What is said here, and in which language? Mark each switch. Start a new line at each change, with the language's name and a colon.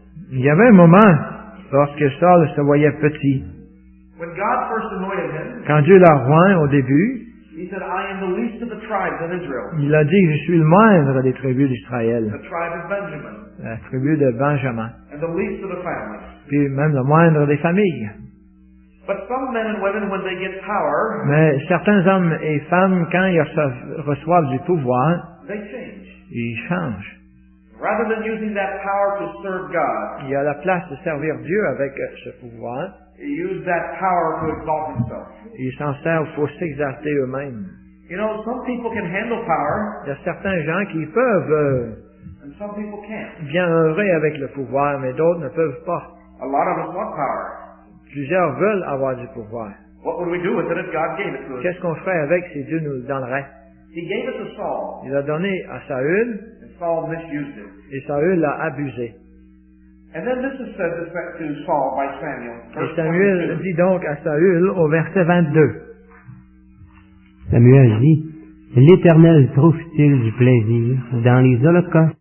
French: Il y avait un moment lorsque Saul se voyait petit.
English: When God first anointed him,
French: quand Dieu l'a oint au début,
English: he said, I am the least of the tribes of Israel.
French: Il a dit, je suis le moindre des tribus d'Israël.
English: The tribe of Benjamin.
French: La tribu de Benjamin.
English: And the least of the families.
French: Puis même le moindre des familles.
English: But some men and women, when they get power,
French: mais certains hommes et femmes, quand ils reçoivent du pouvoir,
English: they change.
French: Ils changent.
English: Rather than using that power to serve God,
French: il y a la place de servir Dieu avec ce pouvoir.
English: He used that power to exalt himself.
French: Ils s'en servent pour s'exalter eux-mêmes.
English: You know, some people can handle power.
French: Il y a certains gens qui peuvent
English: and some people can't.
French: Bien œuvrer avec le pouvoir, mais d'autres ne peuvent pas.
English: A lot of us want power.
French: Plusieurs veulent avoir du pouvoir.
English: What would we do with it if God gave it to us?
French: Qu'est-ce qu'on ferait avec si Dieu nous le donnerait?
English: He gave it to Saul.
French: Il l'a donné à Saül.
English: And Saul misused it.
French: Et Saül l'a abusé.
English: And then this is said back to Saul by Samuel.
French: Et Samuel 22. Dit donc à Saül au verset 22. Samuel dit, l'Éternel trouve-t-il du plaisir dans les holocaustes?